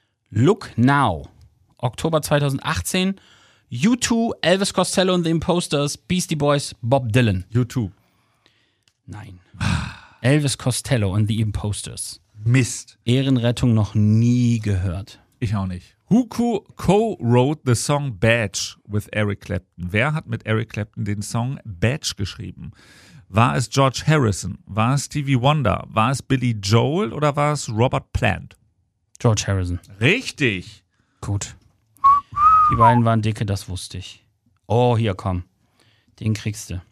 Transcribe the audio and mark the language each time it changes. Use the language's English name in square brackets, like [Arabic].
[English] Look Now, Oktober 2018, U2, Elvis Costello and the Imposters, Beastie Boys, Bob Dylan. U2. [German] Nein. Elvis Costello and the Imposters. Mist. Ehrenrettung noch nie gehört. Ich auch nicht. [English] Who co-wrote the song Badge with Eric Clapton? [German] Wer hat mit Eric Clapton den Song Badge geschrieben? War es George Harrison? War es Stevie Wonder? War es Billy Joel oder war es Robert Plant? George Harrison. Richtig. Gut. Die beiden waren dicke, das wusste ich. Oh, hier, komm. Den kriegst du.